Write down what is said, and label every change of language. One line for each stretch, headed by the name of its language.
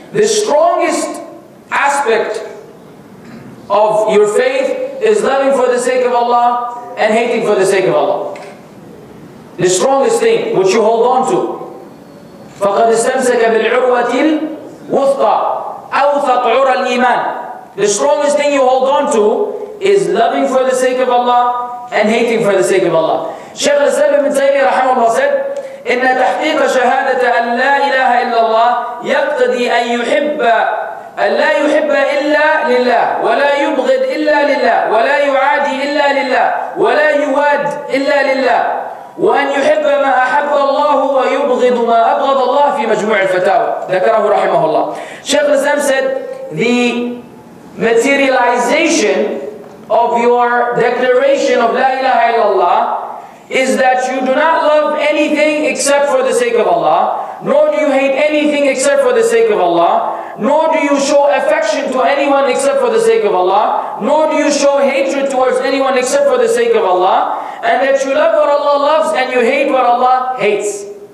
English: The strongest aspect of your faith is loving for the sake of Allah and hating for the sake of Allah. The strongest thing which you hold on to,
Arabic: فَقَدْ اسْتَمْسَكَ بِالْعُرْوَةِ الْوُثْقَى أَوْثَقَ عُرَى الْإِيمَانِ.
English: The strongest thing you hold on to is loving for the sake of Allah and hating for the sake of Allah. Shaykh al-Islam ibn Taymiyyah rahimahullah said,
Arabic: إِنَّ تَحْقِيقَ شَهَادَةَ أَنْ لَا إِلَهَ إِلَّا اللَّهِ يَقْتَدِي أَنْ لَا يُحِبَّ إِلَّا لِلَّهِ وَلَا يُبْغِدْ إِلَّا لِلَّهِ وَلَا يُعَادِي إِلَّا لِلَّهِ وَلَا يُوَادْ إِلَّا لِلَّهِ وَأَنْ يُحِبَّ مَا أَحَبَّ اللَّهُ وَيُبْغِضُ مَا أَبْغَضَ اللَّهُ فِي مَجْمُوعِ الْفَتَاوَى. ذكره رحمه الله.
English: Shaykh al-Islam said, the materialization of your declaration of La ilaha illallah is that you do not love anything except for the sake of Allah, nor do you hate anything except for the sake of Allah, nor do you show affection to anyone except for the sake of Allah, nor do you show hatred towards anyone except for the sake of Allah, and that you love what Allah loves and you hate what Allah hates.